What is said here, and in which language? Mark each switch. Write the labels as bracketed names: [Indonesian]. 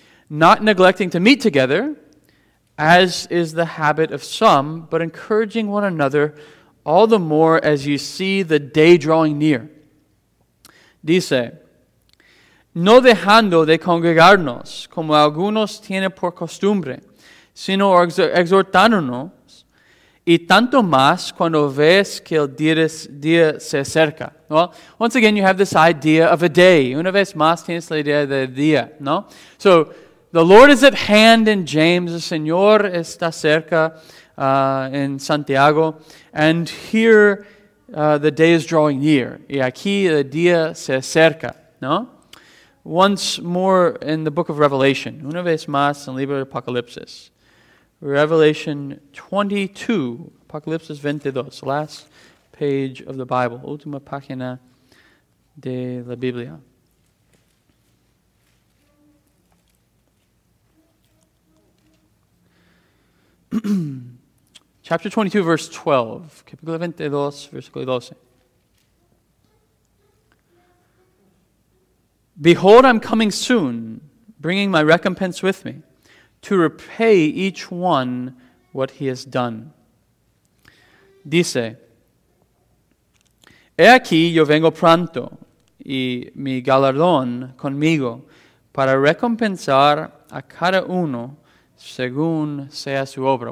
[English] Not neglecting to meet together, as is the habit of some, but encouraging one another all the more as you see the day drawing near. [Spanish] Dice, no dejando de congregarnos, como algunos tienen por costumbre, sino exhortándonos, y tanto más cuando ves que el día se acerca. [English] Well, once again, you have this idea of a day. [Spanish] Una vez más tienes la idea de día, ¿no? [English] So, the Lord is at hand in James, the [Spanish] Señor está cerca [English] in Santiago, and here the day is drawing near. [Spanish] Y aquí el día se acerca, ¿no? [English] Once more in the book of Revelation, [Spanish] una vez más en el libro de Apocalipsis. [English] Revelation 22, Apocalipsis 22, last page of the Bible, [Spanish] última página de la Biblia. [English] Chapter 22, verse 12. [Spanish] Capítulo 22, versículo 12. [English] Behold, I'm coming soon, bringing my recompense with me, to repay each one what he has done. [Spanish] Dice, he aquí yo vengo pronto, y mi galardón conmigo, para recompensar a cada uno según sea su obra.